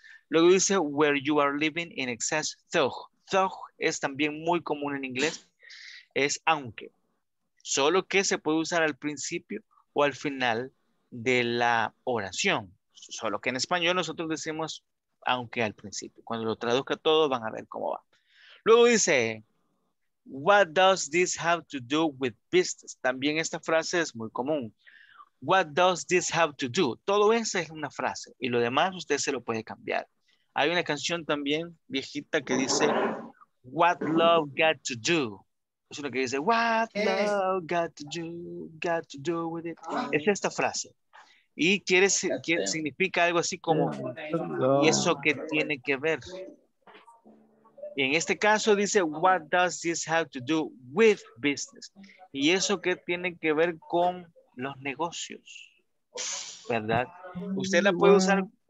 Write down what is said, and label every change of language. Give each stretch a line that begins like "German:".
Spanish: Luego dice,
English: where you are living in excess, though.
Spanish: Though es también muy común en inglés. Es aunque. Solo que se puede usar al principio o al final de la oración. Solo que en español nosotros decimos aunque al principio. Cuando lo traduzca todo, van a ver cómo va. Luego dice,
English: what does this have to do with business?
Spanish: También esta frase es muy común.
English: What does this have to do?
Spanish: Todo eso es una frase. Y lo demás usted se lo puede cambiar. Hay una canción también viejita que dice,
English: what love got to do?
Spanish: Es una que dice,
English: what love got to do with it?
Spanish: Es esta frase. Y significa algo así como, ¿y eso qué tiene que ver? Y en este caso dice,
English: what does this have to do with business?
Spanish: ¿Y eso qué tiene que ver con los negocios? ¿Verdad? Usted la puede usar.